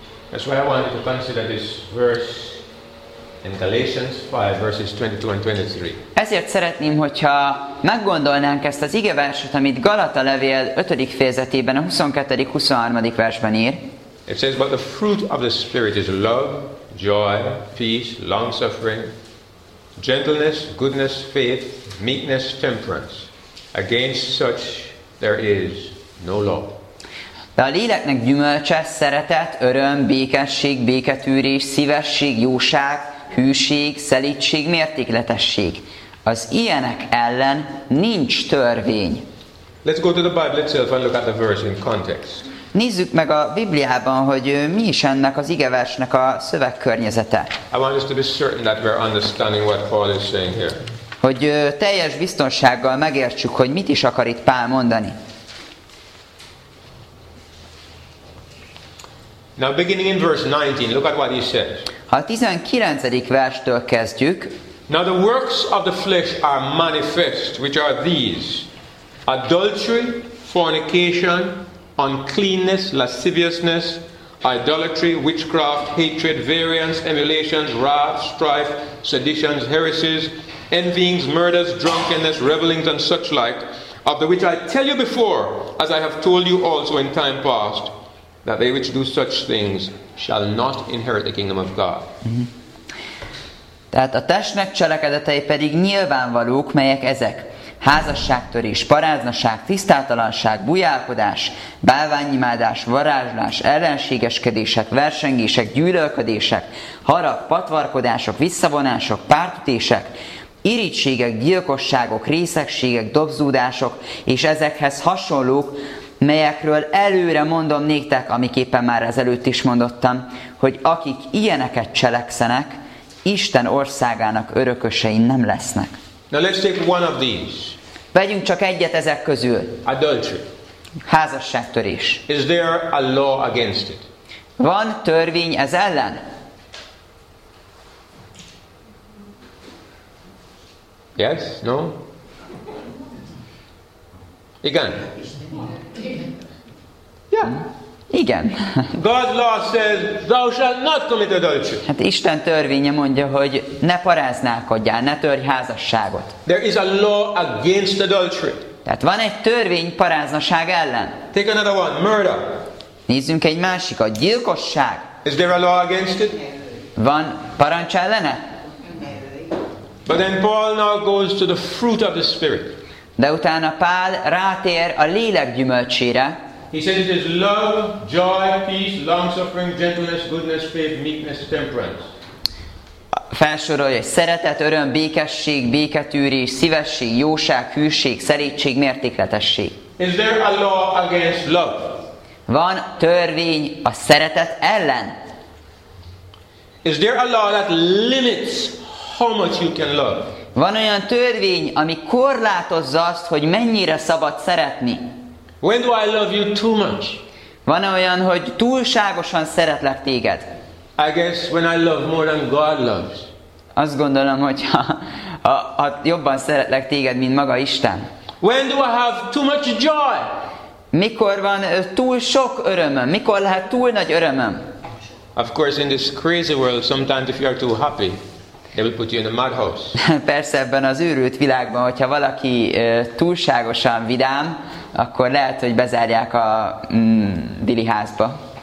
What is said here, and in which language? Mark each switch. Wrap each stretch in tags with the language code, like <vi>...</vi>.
<en>That's why I want you to consider this verse in Galatians 5, verses 22 and 23.</en> <hu>Ezért szeretném, hogyha meggondolnánk ezt az igeverset, amit Galata levél 5. fejezetében, a 22. 23. versben ír.</hu> <en>It says, but the fruit of the Spirit is love, joy, peace, long-suffering, gentleness, goodness, faith, meekness, temperance. Against such there is no law.</en> <hu>De a léleknek gyümölcse szeretet, öröm, békesség, béketűrés, szívesség, jóság, hűség, szelídség, mértékletesség. Az ilyenek ellen nincs törvény.</hu> <en>Let's go to the Bible itself and look at the verse in context.</en> <hu>Nézzük meg a Bibliában, hogy mi is ennek az igeversnek a szövegkörnyezete.</hu> <en>I want us to be certain that we're understanding what Paul is saying here.</en> <hu>Hogy teljes biztonsággal megértsük, hogy mit is akar itt Pál mondani.</hu> <en>Now beginning in verse 19, look at what he says.</en> <hu>Ha a 19. verstől kezdjük.</hu> <en>Now the works of the flesh are manifest, which are these: adultery, fornication, uncleanness, lasciviousness, idolatry, witchcraft, hatred, variance, emulations, wrath, strife, seditions, heresies, envyings, murders, drunkenness, revelings, and such like, of the which I tell you before, as I have told you also in time past, that they which do such things shall not inherit the kingdom of God.</en> <hu>Tehát a testnek cselekedetei pedig nyilvánvalók, melyek ezek: házasságtörés, paráznaság, tisztátalanság, bujálkodás, bálványimádás, varázslás, ellenségeskedések, versengések, gyűlölködések, harag, patvarkodások, visszavonások, pártütések, irigységek, gyilkosságok, részegségek, dobzódások, és ezekhez hasonlók, melyekről előre mondom néktek, amiképpen már ezelőtt is mondottam, hogy akik ilyeneket cselekszenek, Isten országának örökösei nem lesznek.</hu> <en>Now let's take one of these.</en> <hu>Vegyünk csak egyet ezek közül.</hu> <en>Adultery.</en> <hu>Házasságtörés.</hu> <en>Is there a law against it?</en> <hu>Van törvény ez ellen?</hu> <en>Yes? No?</en> <hu>Igen.</hu> <en>Yeah.</en> <hu>Igen.</hu> <en>God's law says thou shalt not commit adultery.</en> <hu>Hát Isten törvénye mondja, hogy ne paráználkodjál, ne törj házasságot.</hu> <en>There is a law against adultery.</en> <hu>Tehát van egy törvény paráznaság ellen.</hu> <en>Take another one, murder.</en> <hu>Nézzünk egy másikat, gyilkosság.</hu> <en>Is there a law against it?</en> <hu>Van parancs ellene?</hu> <en>But then Paul now goes to the fruit of the Spirit.</en> <hu>De utána Pál rátér a lélek gyümölcsére.</hu> <en>He says it is love, joy, peace, long-suffering, gentleness, goodness, faith, meekness, temperance.</en> <hu>Felsorolja, hogy szeretet, öröm, békesség, béketűrés, szívesség, jóság, hűség, szerítség, mértékletesség.</hu> <en>Is there a law against love?</en> <hu>Van törvény a szeretet ellen?</hu> <en>Is there a law that limits how much you can love?</en> <hu>Van olyan törvény, ami korlátozza azt, hogy mennyire szabad szeretni?</hu> <en>When do I love you too much?</en> <hu>Van olyan, hogy túlságosan szeretlek téged?</hu> <en>I guess when I love more than God loves.</en> <hu>Azt gondolom, hogy ha jobban szeretlek téged, mint maga Isten.</hu> <en>When do I have too much joy?</en> <hu>Mikor van túl sok örömöm? Mikor lehet túl nagy örömöm?</hu> <en>Of course, in this crazy world, sometimes if you are too happy, they will put you in a madhouse.</en> <hu>Persze ebben az őrült világban, hogyha valaki túlságosan vidám, akkor lehet, hogy bezárják a dili házba.</hu>